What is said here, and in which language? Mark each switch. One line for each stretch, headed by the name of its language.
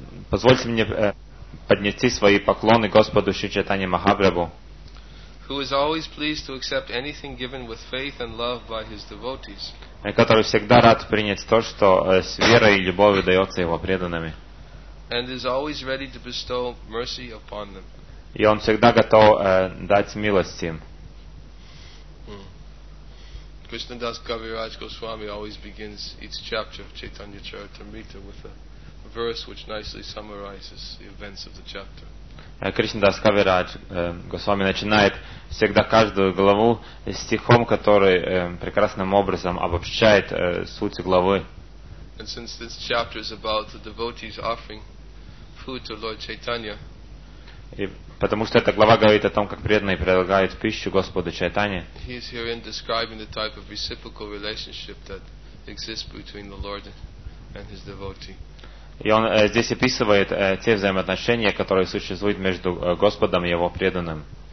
Russian: Позвольте мне поднести свои поклоны Господу Шри Чайтанья Махапрабху.
English: Who is always pleased to accept anything given with faith and love by his devotees.
Russian: Который всегда рад принять то, что с верой и любовью дается его преданными.
English: And is always ready to bestow mercy upon them.
Russian: И он всегда готов дать милость им.
English: Krishna Das Kaviraj Goswami always begins each chapter of Chaitanya Charitamrita with a verse which nicely summarizes the events of the chapter.
Russian: Krishna Das Kaviraj Goswami начинает всегда каждую главу стихом, который прекрасным образом обобщает суть главы.
English: And since this chapter is about the devotees offering food to Lord Chaitanya,
Russian: и потому что эта глава говорит о том, как преданные предлагают пищу Господу Чайтанья. И он здесь описывает те взаимоотношения, которые существуют между Господом и Его преданным.